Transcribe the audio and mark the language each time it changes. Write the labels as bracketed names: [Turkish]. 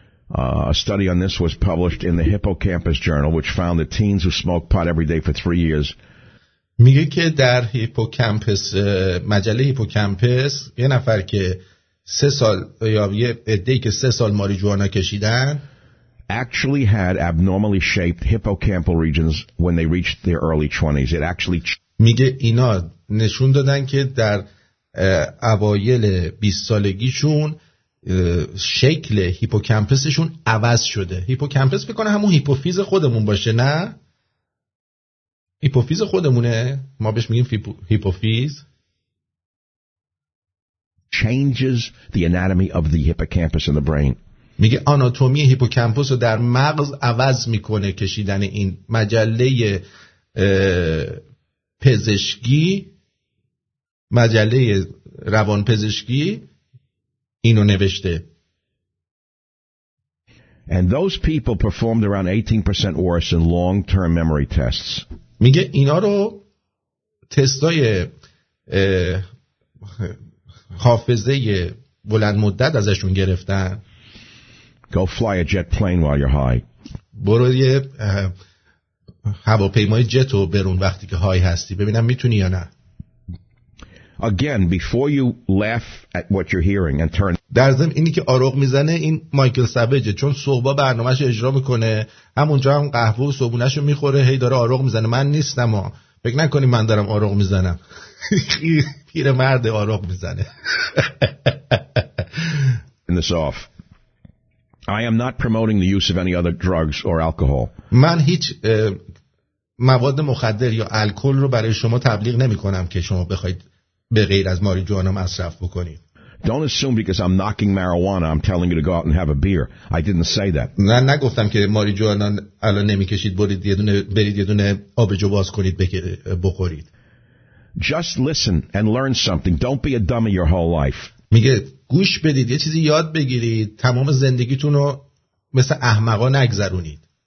[English] A study on this was published in the Hippocampus Journal, which found that teens who smoked pot every day for 3 years. [Persian] میگه که در هیپوکامپس، مجله هیپوکامپس، یه نفر که 3 سال یا یه عده‌ای که 3 سال ماریجوانا کشیدن [English] actually had abnormally shaped hippocampal regions when they reached their early 20s. It actually [Persian] میگه اینا نشون دادن که در اوایل 20 سالگیشون شکل هیپوکمپسشون عوض شده. هیپوکمپس بکنه همون هیپوفیز خودمون باشه، نه؟ هیپوفیز خودمونه، ما بهش میگیم هیپوفیز. [English] Changes the anatomy of the hippocampus in the brain. [Persian] میگه آناتومی هیپوکمپوس رو در مغز عوض میکنه کشیدن این مجله پزشکی، مجله روان پزشکی اینو نوشته. [English] And those people performed around 18% worse in long-term memory tests. [Persian] میگه اینا رو تستای حافظه بلند مدت ازشون گرفتن. [English] Go fly a jet plane while you're high. [Persian] برو یه هواپیمای جت رو برون وقتی که های هستی ببینم میتونی یا نه. [English] Again, before you laugh at what you're hearing and turn. [Persian] در ضمن اینی که آروغ میزنه این مایکل سابجه، چون صبح برنامه‌اش اجرا میکنه، همونجا هم قهوه و صبحونه‌شو میخوره، هی داره آروغ میزنه. من نیستم، ما فکر نکنی من دارم آروغ میزنم. پیر مرد آروغ میزنه. [English] In this off. I am not promoting the use of any other drugs or alcohol. [Persian] من هیچ مواد مخدر یا الکل رو برای شما تبلیغ نمی‌کنم که شما بخواید به غیر از ماریجوانا مصرف بکنید. [English] Don't assume because I'm knocking marijuana I'm telling you to go out and have a beer. I didn't say that. [Persian] من نگفتم که ماریجوانا الان نمی‌کشید برید یه دونه آبجو باز کنید بخورید. [English] Just listen and learn something. Don't be a dummy your whole life. [Persian] میگه گوش بدید، یه چیزی یاد بگیرید، تمام زندگیتون رو مثل احمقا نگذرونید.